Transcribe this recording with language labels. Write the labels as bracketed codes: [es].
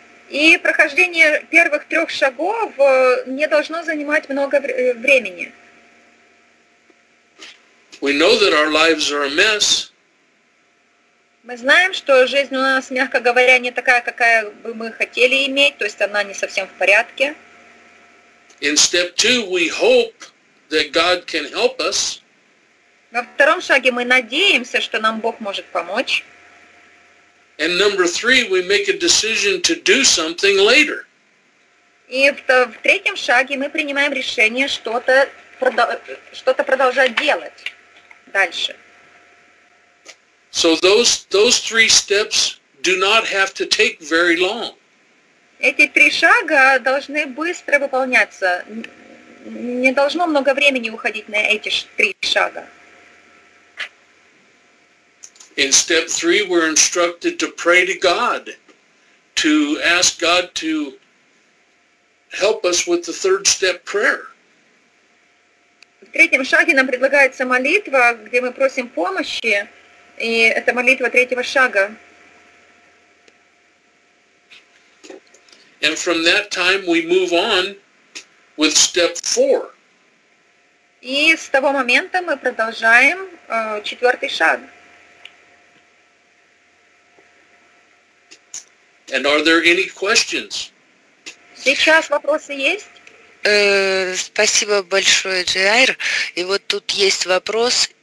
[ru] И прохождение первых трех шагов не должно занимать много времени. [en] We know that our lives are a mess. [ru] Мы знаем, что жизнь у нас, мягко говоря, не такая, какая бы мы хотели иметь, то есть она не совсем в порядке. [en] In step 2 we hope that God can help us. [ru] Во втором шаге мы надеемся, что нам Бог может помочь. [en] And number 3 we make a decision to do something later. [ru] И в третьем шаге мы принимаем решение что-то продолжать делать дальше. [en] So those three steps do not have to take very long. [ru] Эти три шага должны быстро выполняться. Не должно много времени уходить на эти три шага. [en] In step 3 we're instructed to pray to God, to ask God to help us with the third step prayer. [ru] В третьем шаге нам предлагается молитва, где мы просим помощи. И это молитва третьего шага. [en] And from that time we move on with step 4. [ru] И с того момента мы продолжаем четвертый шаг. [en] And are there any questions? [ru] Сейчас вопросы есть? Спасибо большое, Джиайр. И вот тут есть вопрос.